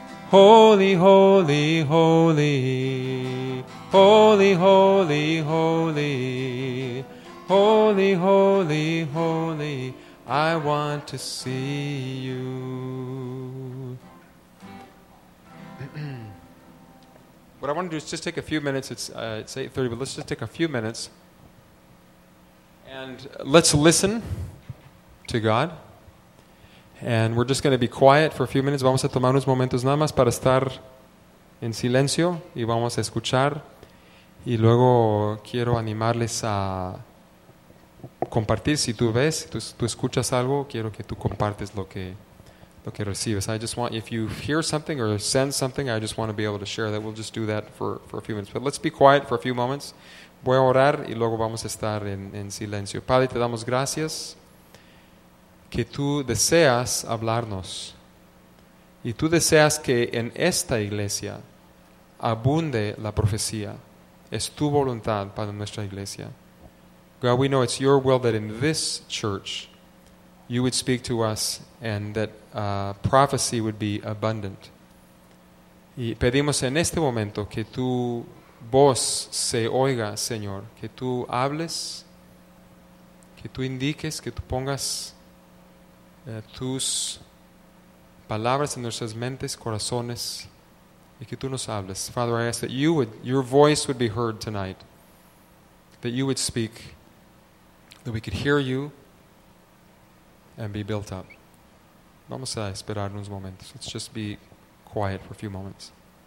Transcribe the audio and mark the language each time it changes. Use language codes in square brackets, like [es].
[en] Holy, holy, holy, holy, holy, holy, holy, holy, holy, I want to see you. What I want to do is just take a few minutes. It's 8:30, but let's just take a few minutes And let's listen to God. And we're just going to be quiet for a few minutes. [es] Vamos a tomar unos momentos nada más para estar en silencio y vamos a escuchar. Y luego quiero animarles a compartir. Si tú ves, tú escuchas algo, quiero que tú compartes lo que recibes. [en] I just want, if you hear something or sense something, I just want to be able to share that. We'll just do that for a few minutes. But let's be quiet for a few moments. [es] Voy a orar y luego vamos a estar en silencio. Padre, te damos gracias que tú deseas hablarnos. Y tú deseas que en esta iglesia abunde la profecía. Es tu voluntad para nuestra iglesia. [en] God, we know it's your will that in this church you would speak to us and that prophecy would be abundant. [es] Y pedimos en este momento que tu voz se oiga, Señor. Que tú hables, que tú indiques, que tú pongas tus palabras en nuestras mentes, corazones, y que tú nos hables. [en] Father, I ask that your voice would be heard tonight, that you would speak, that we could hear you and be built up. [es] Vamos a esperar unos momentos. [en] Let's just be quiet for a few moments.